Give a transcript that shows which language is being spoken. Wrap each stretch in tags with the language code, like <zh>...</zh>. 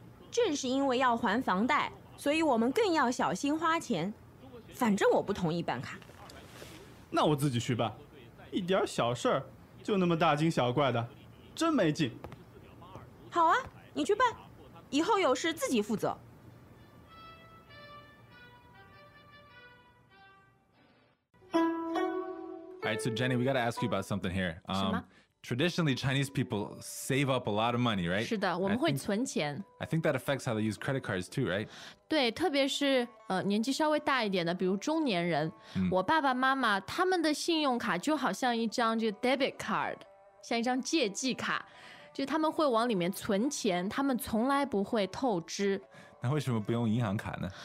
<zh>正是因为要还房贷，所以我们更要小心花钱。反正我不同意办卡。那我自己去办，一点小事儿就那么大惊小怪的，真没劲。好啊，你去办，以后有事自己负责。</zh> <en>Alright, so Jenny, we gotta ask you about something here.</en> <zh>什么？</zh> <en>traditionally, Chinese people save up a lot of money, right?</en> <zh>是的，我们会存钱。</zh> <en>I think that affects how they use credit cards too, right?</en> <zh>对，特别是年纪稍微大一点的，比如中年人，我爸爸妈妈他们的信用卡就好像一张这个 debit card， 像一张借记卡，就他们会往里面存钱，他们从来不会透支。那为什么不用银行卡呢？</zh>